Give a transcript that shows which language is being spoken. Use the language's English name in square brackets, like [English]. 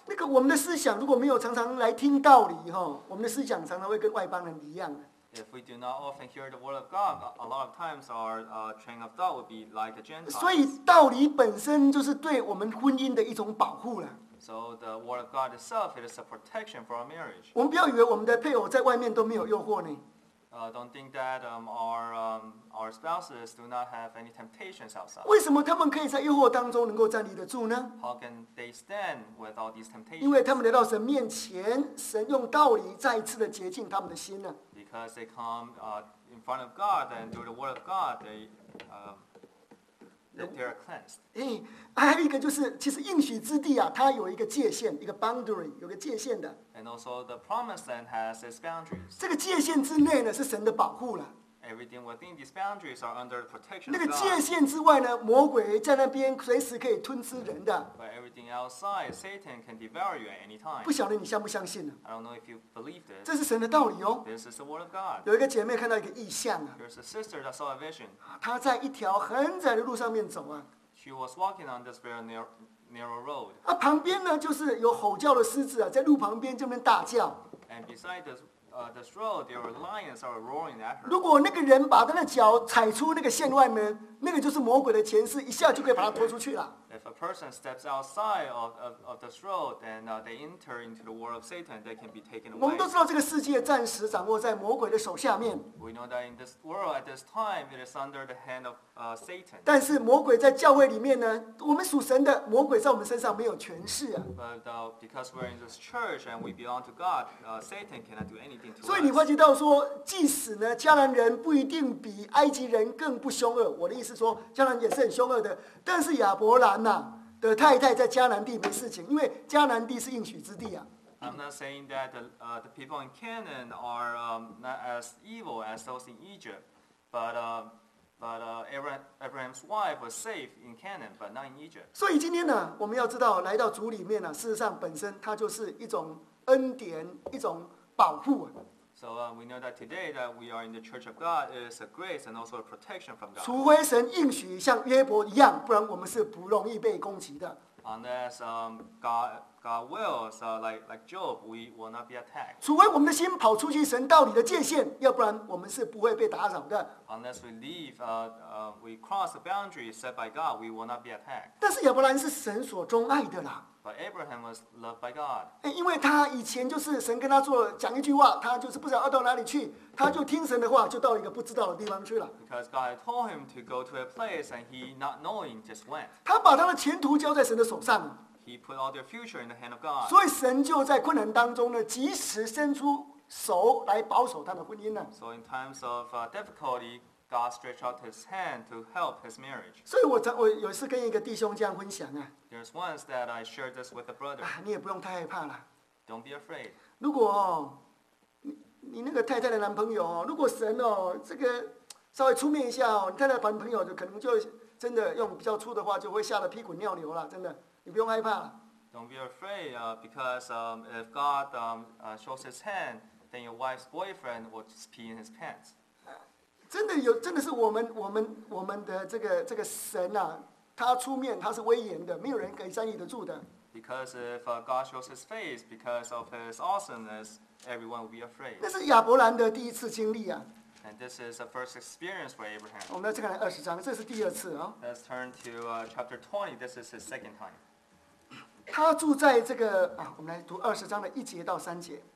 [Chinese] 那个我们的思想如果没有常常来听道理哈，我们的思想常常会跟外邦人一样。 [English] If we do not often hear the word of God, a lot of times our train of thought would be like a Gentile. [Chinese] 所以道理本身就是对我们婚姻的一种保护了。 [English] So the word of God itself it is a protection for our marriage. [Chinese] 我们不要以为我们的配偶在外面都没有诱惑呢。 [English] Don't think that our spouses do not have any temptations outside. [Chinese] 为什么他们可以在诱惑当中能够站立得住呢？ [English] How can they stand with all these temptations? [Chinese] 因为他们来到神面前，神用道理再一次的洁净他们的心呢。 [English] Because they come in front of God and through the word of God, they are cleansed. [Chinese] 哎，还有一个就是，其实应许之地啊，它有一个界限，一个 boundary， 有个界限的。 [English] And also the promised land has its boundaries. [Chinese] 这个界限之内呢，是神的保护了。 [English] Everything within these boundaries are under protection. [Chinese] 那个界限之外呢，魔鬼在那边随时可以吞吃人的。 [English] But everything outside, Satan can devour you at any time. [Chinese] 不晓得你相不相信呢？ [English] I don't know if you believe this. [Chinese] 这是神的道理哦。 [English] This is the word of God. [Chinese] 有一个姐妹看到一个异象啊。 [English] There's a sister that saw a vision. [Chinese] 她在一条很窄的路上面走啊。 [English] She was walking on this very narrow road. [Chinese] 啊，旁边呢就是有吼叫的狮子啊，在路旁边这边大叫。 [English] And beside this road, there were lions that were roaring at her. [Chinese] 如果那个人把他的脚踩出那个线外面，那个就是魔鬼的前世，一下就可以把他拖出去了。 [English] If a person steps outside of this road, then they enter into the world of Satan. They can be taken away. [Chinese] 我们都知道这个世界暂时掌握在魔鬼的手下面。 [English] We know that in this world at this time, it is under the hand of Satan. [Chinese] 但是魔鬼在教会里面呢，我们属神的魔鬼在我们身上没有权势啊。 [English] But because we're in this church and we belong to God, Satan cannot do anything to us. [Chinese] 所以你发觉到说，即使呢迦南人不一定比埃及人更不凶恶，我的意思说，迦南也是很凶恶的，但是亚伯兰。的太太在迦南地没事情，因为迦南地是应许之地啊。 [English] I'm not saying that the people in Canaan are not as evil as those in Egypt, but Abraham's wife was safe in Canaan, but not in Egypt. [Chinese] 所以今天呢，我们要知道来到主里面呢、啊，事实上本身它就是一种恩典，一种保护、啊。 [English] So we know that today that we are in the church of God is a grace and also a protection from God. [Chinese] 除非神应许像约伯一样，不然我们是不容易被攻击的。 [English] Unless God wills, like Job, we will not be attacked. [Chinese] 除非我们的心跑出去神道理的界限，要不然我们是不会被打扰的。 [English] Unless we leave, we cross the boundary set by God, we will not be attacked. [Chinese] 但是亚伯兰是神所钟爱的啦。 [English] But Abraham was loved by God. [Chinese] 因为他以前就是神跟他做讲一句话，他就是不知道要到哪里去，他就听神的话，就到一个不知道的地方去了。 [English] Because God had told him to go to a place, and he, not knowing, just went. [Chinese] 他把他的前途交在神的手上。 [English] He put all their future in the hand of God. [Chinese] 所以神就在困难当中呢，及时伸出手来保守他的婚姻呢。 [English] So in times of difficulty, God stretched out his hand to help his marriage. [Chinese] 所以我有一次跟一个弟兄这样分享啊。 [English] There's once that I shared this with a brother. [Chinese] 啊，你也不用太害怕了。 [English] Don't be afraid. [Chinese] 如果你那个太太的男朋友，如果神哦这个稍微出面一下哦，你太太的男朋友就可能就真的用比较粗的话就会吓得屁滚尿流了，真的，你不用害怕了。 [English] Don't be afraid, because if God shows his hand, then your wife's boyfriend will just pee in his pants. [Chinese] 真的有，真的是我们的这个神啊，他出面他是威严的，没有人可以站立得住的。 [English] Because if God shows His face because of His awesomeness, everyone will be afraid. [Chinese] 那是亚伯兰的第一次经历啊。 [English] And this is the first experience for Abraham. [Chinese] 我们再看二十章，这是第二次啊。 [English] Let's turn to chapter 20. This is his second time. [Chinese] 他住在这个啊，我们来读二十章的一节到三节。